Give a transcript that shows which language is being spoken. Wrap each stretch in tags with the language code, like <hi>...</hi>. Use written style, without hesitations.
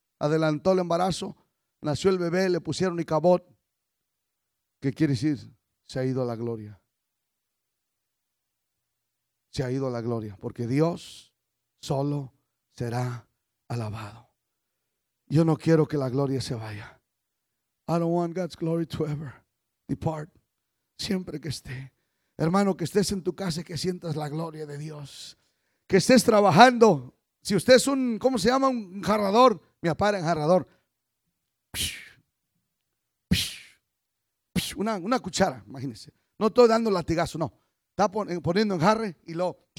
<es>Adelantó el embarazo. Nació el bebé, le pusieron Icabod. ¿Qué quiere decir? Se ha ido la gloria. Se ha ido la gloria. Porque Dios solo será alabado. Yo no quiero que la gloria se vaya.</es> <en>I don't want God's glory to ever depart.</en> <es>Siempre que esté. Hermano, que estés en tu casa y que sientas la gloria de Dios. Que estés trabajando. Si usted es un, ¿cómo se llama? Un jarrador. Mi papá era enjarrador. Una cuchara, imagínese. No estoy dando latigazo, no. Está poniendo en jarre y lo.</es>